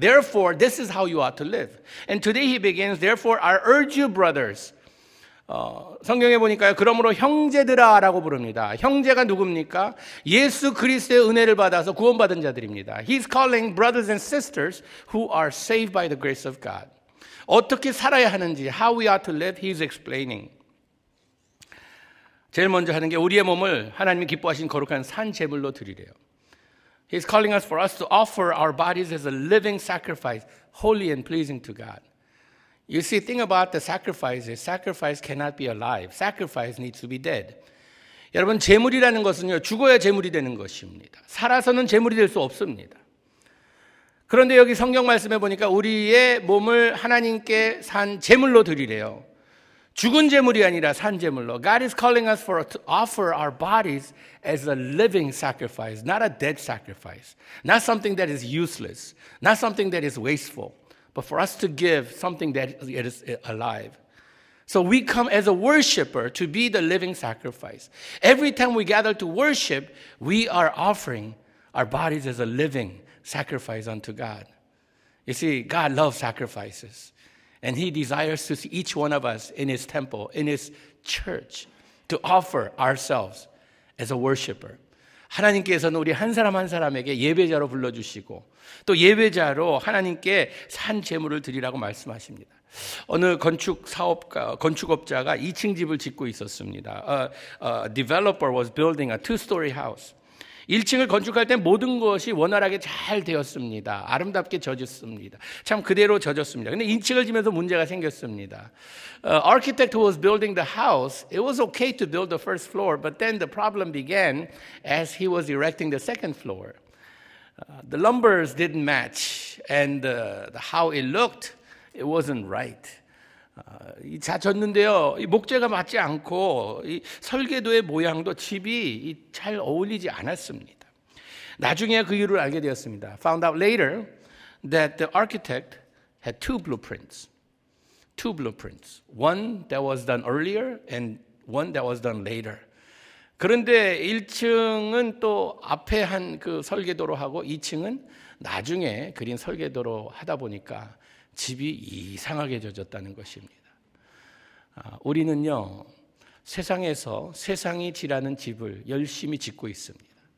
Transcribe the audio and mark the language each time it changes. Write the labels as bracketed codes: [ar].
[en] Therefore, this is how you ought to live. And today he begins, therefore, I urge you, brothers. [ko] 성경에 보니까요, 그러므로 형제들아 라고 부릅니다. 형제가 누굽니까? 예수 그리스도의 은혜를 받아서 구원받은 자들입니다. [en] He's calling brothers and sisters who are saved by the grace of God. [ko] 어떻게 살아야 하는지, [en] how we ought to live, he's explaining. [ko] 제일 먼저 하는 게 우리의 몸을 하나님이 기뻐하신 거룩한 산 제물로 드리래요. [en] He's calling us for us to offer our bodies as a living sacrifice, holy and pleasing to God. You see, think about the sacrifices. Sacrifice cannot be alive. Sacrifice needs to be dead. [ko] 여러분, 제물이라는 것은요, 죽어야 제물이 되는 것입니다. 살아서는 제물이 될 수 없습니다. 그런데 여기 성경 말씀해 보니까 우리의 몸을 하나님께 산 제물로 드리래요. 죽은 제물이 아니라 산 제물로. [en] God is calling us for to offer our bodies as a living sacrifice, not a dead sacrifice. Not something that is useless, not something that is wasteful, but for us to give something that is alive. So we come as a worshiper to be the living sacrifice. Every time we gather to worship, we are offering our bodies as a living sacrifice unto God. You see, God loves sacrifices. And he desires to see each one of us in his temple, in his church, to offer ourselves as a worshiper. [ko] 하나님께서는 우리 한 사람 한 사람에게 예배자로 불러주시고 또 예배자로 하나님께 산 제물을 드리라고 말씀하십니다. 어느 건축업자가 2층 집을 짓고 있었습니다. [en] A developer was building a two-story house. [ko] 1층을 건축할 때 모든 것이 원활하게 잘 되었습니다. 아름답게 젖었습니다. 참 그대로 젖었습니다. 근데 2층을 지면서 문제가 생겼습니다. [en] Architect was building the house. It was okay to build the first floor, but then the problem began as he was erecting the second floor. The lumbers didn't match, and how it looked, it wasn't right. [ko] 잦췄는데요. 이 목재가 맞지 않고 이 설계도의 모양도 집이 잘 어울리지 않았습니다. 나중에 그 이유를 알게 되었습니다. [en] Found out later that the architect had two blueprints. Two blueprints. One that was done earlier and one that was done later. [ko] 그런데 1층은 또 앞에 한 그 설계도로 하고 2층은 나중에 그린 설계도로 하다 보니까 집이 이상하게 젖었다는 것입니다. 우리는요, 세상에서 세상이 지라는 집을 열심히 짓고 있습니다.